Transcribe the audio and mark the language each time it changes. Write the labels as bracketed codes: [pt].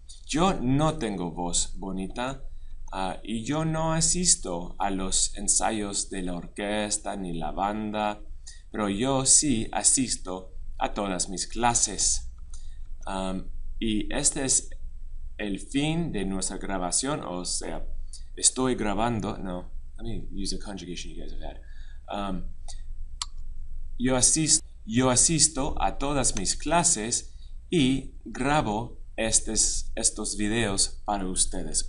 [es] Yo no tengo voz bonita, y yo no asisto a los ensayos de la orquesta ni la banda, pero yo sí asisto a todas mis clases. Y este es el fin de nuestra grabación, o sea, estoy grabando. [en] No, let me use a conjugation you guys have had. [es] Yo asisto a todas mis clases y grabo estos videos para ustedes.